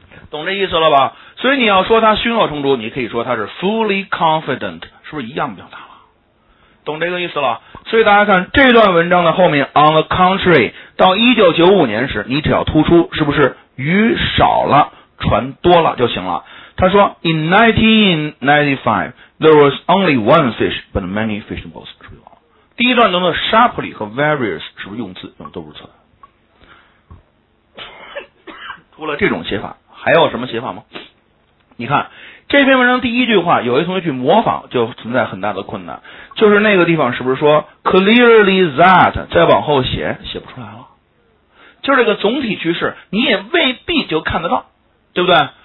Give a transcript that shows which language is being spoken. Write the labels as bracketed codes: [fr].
[zh] 懂这意思了吧？所以你要说他胸有成竹，你可以说他是 fully confident, 是不是一样表达了？懂这个意思了？所以大家看这段文章的后面 on the contrary, 到1995年时你只要突出是不是鱼少了船多了就行了。他说 [en] In 1995 there was only one fish but many fishing boats, [zh] 是不是？第一段中的 sharply 和 various 是不是用字用都不错？除了这种写法还有什么写法吗？你看这篇文章第一句话有一同学去模仿就存在很大的困难，就是那个地方是不是说 clearly that, 再往后写写不出来了，就是这个总体趋势你也未必就看得到，对不对？